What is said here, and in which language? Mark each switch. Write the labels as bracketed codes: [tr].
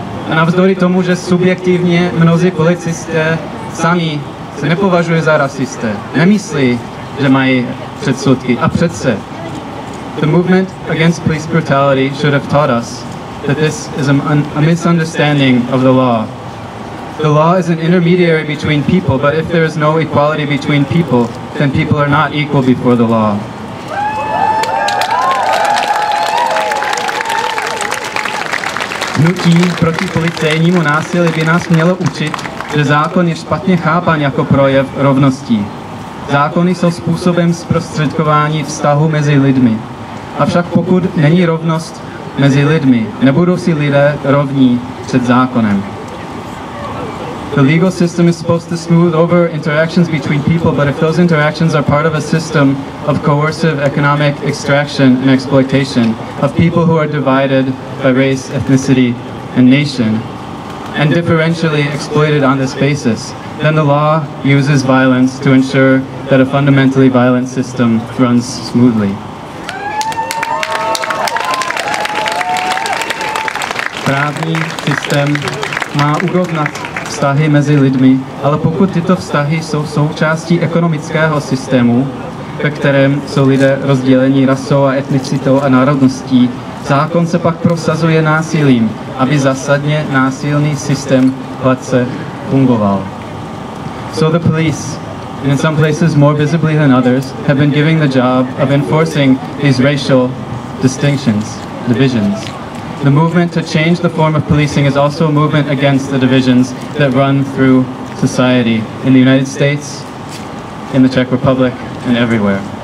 [cs] A navzdory tomu, že subjektivně mnozí policisté sami se nepovažují za rasisté, nemyslí, že mají předsudky. A přece. [en] The movement against police brutality should have taught us that this is a misunderstanding of the law. The law is an intermediary between people, but if there is no equality between people, then people are not equal before the law. [cs] Hnutí proti policejnímu násilí by nás mělo učit, že zákon je špatně chápán jako projev rovnosti. Zákony jsou způsobem zprostředkování vztahu mezi lidmi. Avšak pokud není rovnost mezi lidmi, nebudou si lidé rovní před zákonem. [en] The legal system is supposed to smooth over interactions between people, but if those interactions are part of a system of coercive economic extraction and exploitation of people who are divided by race, ethnicity, and nation, and differentially exploited on this basis, then the law uses violence to ensure that a fundamentally violent system runs smoothly. [cs] Právní systém má urovnat vztahy mezi lidmi, ale pokud tyto vztahy jsou součástí ekonomického systému, ve kterém jsou lidé rozděleni rasou a etnicitou a národností, zákon se pak prosazuje násilím, aby zásadně násilný systém hladce fungoval. [en] So the police, in some places more visibly than others, have been given the job of enforcing these racial distinctions, divisions. The movement to change the form of policing is also a movement against the divisions that run through society in the United States, in the Czech Republic, and everywhere.